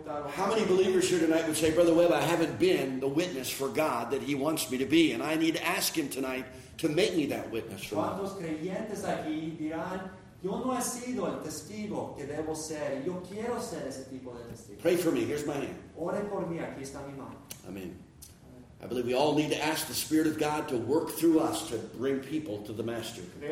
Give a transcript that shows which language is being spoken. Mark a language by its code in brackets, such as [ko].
[en] How many believers here tonight would say, Brother Webb, I haven't been the witness for God that He wants me to be, and I need to ask Him tonight to make me that witness for Him? [es] ¿Cuántos creyentes aquí dirán, yo no he sido el testigo que debo ser, yo quiero ser ese tipo de testigo? [en] Pray for me. Here's my hand. [es] Ore por mí. Aquí está mi mano. [en] Amen. I believe we all need to ask the Spirit of God to work through us to bring people to the Master.